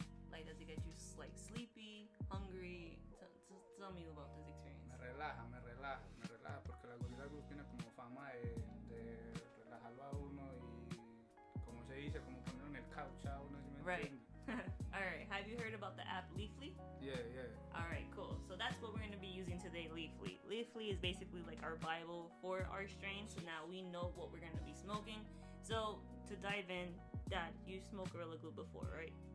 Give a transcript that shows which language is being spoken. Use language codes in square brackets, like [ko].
[en] Like, does it get you like sleepy, hungry? Tell me about this experience. [es] Me relaja, porque la Gorilla Glue tiene como fama de relajarlo a uno y, como se dice, como ponerlo en el couch a uno, si me entiendes. [en] Right. Alright, have you heard about the app Leafly? Yeah. Alright, cool. So that's what we're going to be using today, Leafly. Leafly is basically like our Bible for our strains, so now we know what we're going to be smoking. So, to dive in, Dad, you smoked Gorilla Glue before, right?